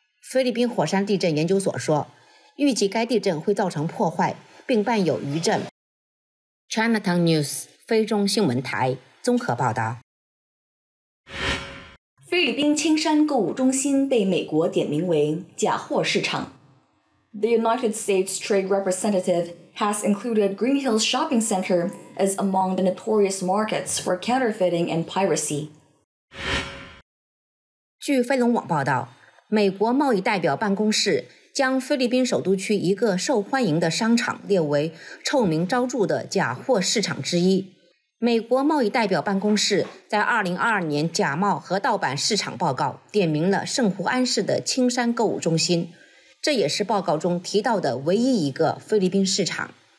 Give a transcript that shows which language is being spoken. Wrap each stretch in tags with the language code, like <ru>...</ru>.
<zh>菲律宾火山地震研究所说，预计该地震会造成破坏，并伴有余震。 Chinatown News 菲中新闻台综合报道。菲律宾青山购物中心被美国点名为假货市场。</zh> <en>The United States Trade Representative has included Greenhills Shopping Center as among the notorious markets for counterfeiting and piracy.</en> <zh>据飞龙网报道，美国贸易代表办公室将菲律宾首都区一个受欢迎的商场列为臭名昭著的假货市场之一。美国贸易代表办公室在2022年假冒和盗版市场报告点名了圣胡安市的青山购物中心，这也是报告中提到的唯一一个菲律宾市场。</zh>